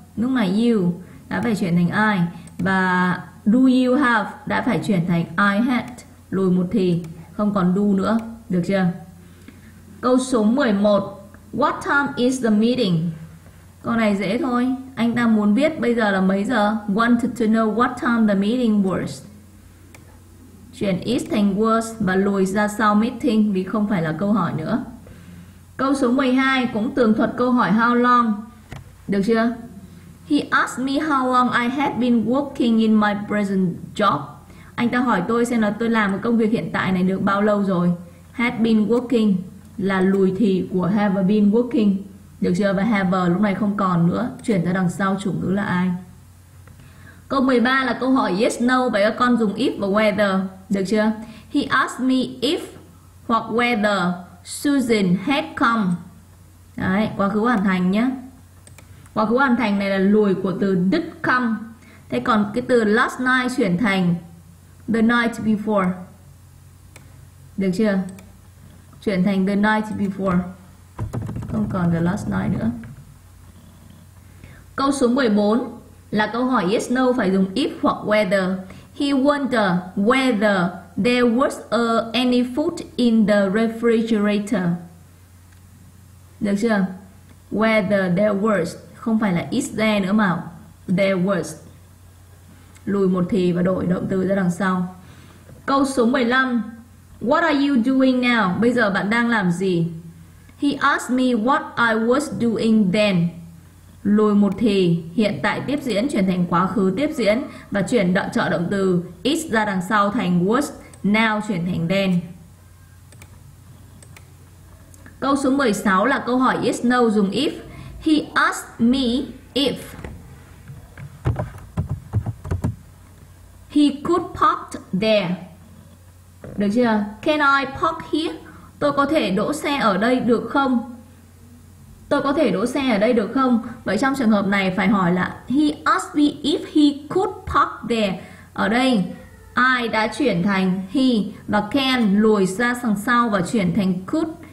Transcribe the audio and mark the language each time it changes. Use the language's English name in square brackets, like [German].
[Vietnamese] Lúc này you đã phải chuyển thành I. Và do you have đã phải chuyển thành I had. Lùi một thì, không còn do nữa. Được chưa? Câu số 11. [English] What time is the meeting? [Vietnamese] Câu này dễ thôi. Anh ta muốn biết bây giờ là mấy giờ. [English] Wanted to know what time the meeting was. [Vietnamese] Chuyển is thành was và lùi ra sau meeting vì không phải là câu hỏi nữa. Câu số 12 cũng tường thuật câu hỏi how long. Được chưa? [English] He asked me how long I had been working in my present job. [Vietnamese] Anh ta hỏi tôi xem là tôi làm công việc hiện tại này được bao lâu rồi. Had been working là lùi thì của have been working. Được chưa? Và have lúc này không còn nữa. Chuyển ra đằng sau chủ ngữ là ai. Câu 13 là câu hỏi yes no. Vậy các con dùng if và whether. Được chưa? [English] He asked me if hoặc whether Susan had come. [Vietnamese] Đấy, quá khứ hoàn thành nhé. Quá khứ hoàn thành này là lùi của từ did come. Thế còn cái từ last night chuyển thành the night before. Được chưa? Chuyển thành the night before. Không còn the last night nữa. Câu số 14 là câu hỏi yes no phải dùng if hoặc whether. [English] He wondered whether there was any food in the refrigerator. [Vietnamese] Được chưa? [English] Whether there was, [Vietnamese] không phải là [English] is there [Vietnamese] nữa mà [English] there was. [Vietnamese] Lùi một thì và đổi động từ ra đằng sau. Câu số 15. [English] What are you doing now? [Vietnamese] Bây giờ bạn đang làm gì? [English] He asked me what I was doing then. [Vietnamese] Lùi một thì, hiện tại tiếp diễn chuyển thành quá khứ tiếp diễn và chuyển đoạn trợ động từ is ra đằng sau thành was, now chuyển thành then. Câu số 16 là câu hỏi yes no dùng if. [English] He asked me if he could park there. [Vietnamese] Được chưa? [English] Can I park here? [Vietnamese] Tôi có thể đỗ xe ở đây được không? Tôi có thể đỗ xe ở đây được không? Vậy trong trường hợp này phải hỏi là [English] he asked me if he could park there. [Vietnamese] Ở đây I đã chuyển thành he và can lùi ra sang sau và chuyển thành could.